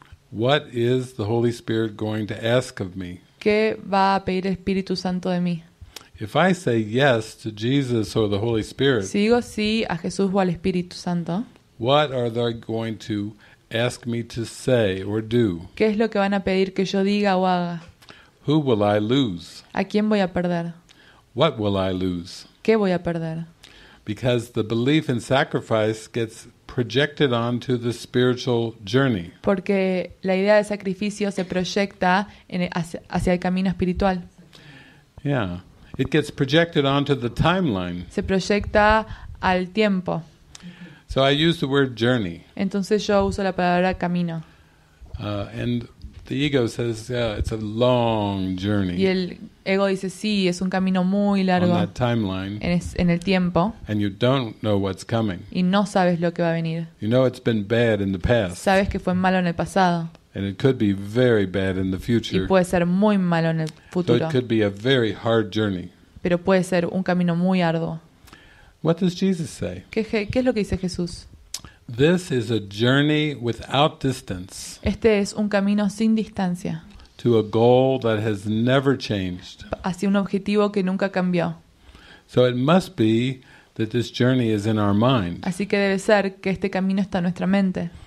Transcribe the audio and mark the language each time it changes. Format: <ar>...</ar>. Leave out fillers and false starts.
<en>what is the Holy Spirit going to ask of me?</en> <es>¿Qué va a pedir el Espíritu Santo de mí?</es> <en>If I say yes to Jesus or the Holy Spirit,</en> <es>si digo sí a Jesús o al Espíritu Santo,</es> <en>what are they going to ask me to say or do?</en> <es>¿Qué es lo que van a pedir que yo diga o haga?</es> <en>Who will I lose?</en> <es>¿A quién voy a perder?</es> <en>What will I lose?</en> <es>¿Qué voy a perder?</es> <en>Because the belief in sacrifice gets projected onto the spiritual journey.</en> <es>Porque la idea de sacrificio se proyecta hacia el camino espiritual.</es> <en>Yeah, it gets projected onto the timeline.</en> <es>Se proyecta al tiempo.</es> <en>So I use the word journey.</en> <es>Entonces yo uso la palabra camino.</es> <en>And the ego says, yeah, it's a long journey.</en> <es>Y el ego dice, sí, es un camino muy largo.</es> <en>On that timeline.</en> <es>En el tiempo.</es> <en>And you don't know what's coming.</en> <es>Y no sabes lo que va a venir.</es> <en>You know it's been bad in the past.</en> <es>Sabes que fue malo en el pasado.</es> <en>And it could be very bad in the future.</en> <es>Y puede ser muy malo en el futuro.</es> <en>So it could be a very hard journey.</en> <es>Pero puede ser un camino muy arduo.</es> <en>What does Jesus say?</en> <es>¿Qué es lo que dice Jesús?</es> <en>This is a journey without distance.</en> <es>Este es un camino sin distancia.</es> <en>To a goal that has never changed.</en> <es>Hacia un objetivo que nunca cambió.</es> <en>So it must be that this journey is in our mind.</en> <es>Así que debe ser que este camino está en nuestra mente.</es>